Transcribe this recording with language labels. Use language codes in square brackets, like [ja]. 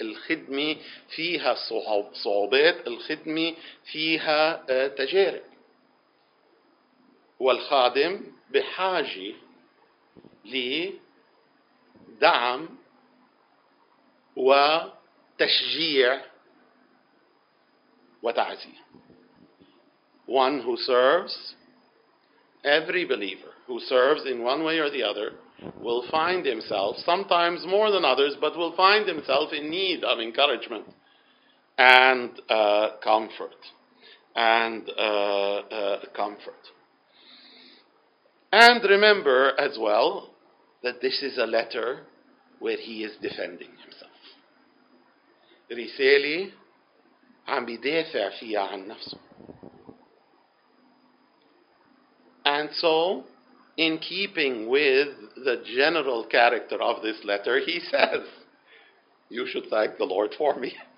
[ar] الخدمة فيها صعوبات. الخدمة فيها تجارب. والخادم بحاجة لدعم وتشجيع وتعزية. [en] One who serves, every believer who serves in one way or the other will find himself, sometimes more than others, but will find himself in need of encouragement and comfort. And remember as well that this is a letter where he is defending himself. [ar] رسالة عم بيدافع فيها عن نفسه. [en] And so, in keeping with the general character of this letter, he says, you should thank the Lord for me.